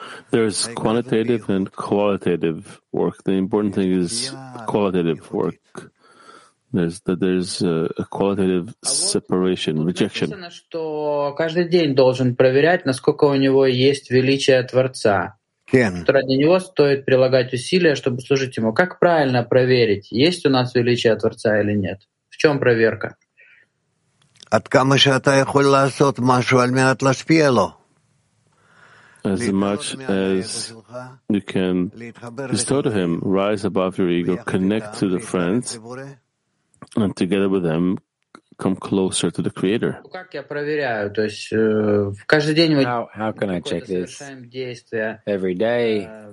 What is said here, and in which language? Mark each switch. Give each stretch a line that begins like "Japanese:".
English: There's quantitative and qualitative work. The important thing is qualitative work. There's a qualitative separation, rejection.
Russian: Каждый день должен проверять, насколько у него есть величие Творца. Ради него стоит прилагать усилия, чтобы служить ему. Как правильно проверить, есть у нас величие Творца или нет? В чем проверка?
Hebrew: עד כמה שאתה יכול לעשות משהו על מנת להשפיע לו.
English: As much as you can bestow to him, rise above your ego, connect to the friends, and together with them, come closer to the Creator.
Russian: Как я проверяю? То есть каждый день мы...
English: How can I check this? Every day,